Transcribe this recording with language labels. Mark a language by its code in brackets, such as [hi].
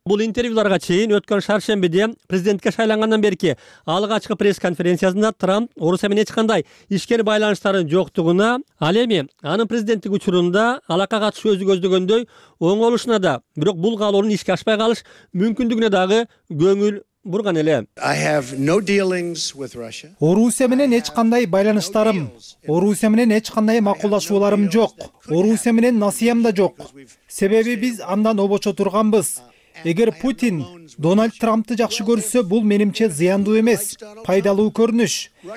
[ky] Бул интервьюларга чейин өткөн шаршембиде президентке шайлангандан берки алгачкы пресс-конференциясында Трамп Орусия менен эч кандай ишкер байланыштарын жоктугуна, ал эми анын президенттик учурунда алака катышуу өзү көздөгөндөй оңолушуна да, бирок бул каалоонун ишке ашпай калыш мүмкүндүгүнө дагы көңүл бурган эле. [en] I have no dealings with Russia. [ky] Орусия менен эч кандай байланыштарым, Орусия менен эч кандай макулдашууларым жок. Орусия менен насыям да жок. Себеби биз андан обочо турганбыз. Эгер Путин Дональд Трампты жакшы көрсө, бул менимче зыяндуу эмес, пайдалуу көрүнүш.